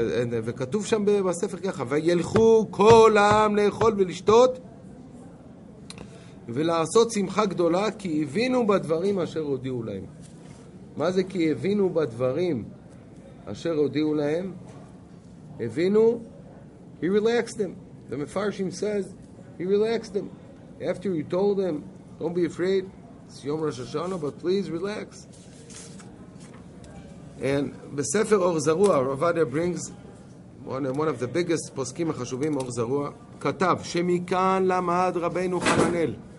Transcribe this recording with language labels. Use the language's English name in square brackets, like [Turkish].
[Hebrew] וכתוב שם בספר ככה, וילכו כל העם לאכול ולשתות ולעשות שמחה גדולה, כי הבינו בדברים אשר הודיעו להם. מה זה כי הבינו בדברים אשר הודיעו להם? [English] הבינו, he relaxed them. The Mefarshim says, he relaxed them. After he told them, don't be afraid, it's Yom Rosh Hashanah, but please relax. [Hebrew] And בספר אור זרוע, [English] Rav Avadia brings one of the biggest [Hebrew] פוסקים החשובים, אור זרוע, כתב, שמכאן למד רבינו חננאל.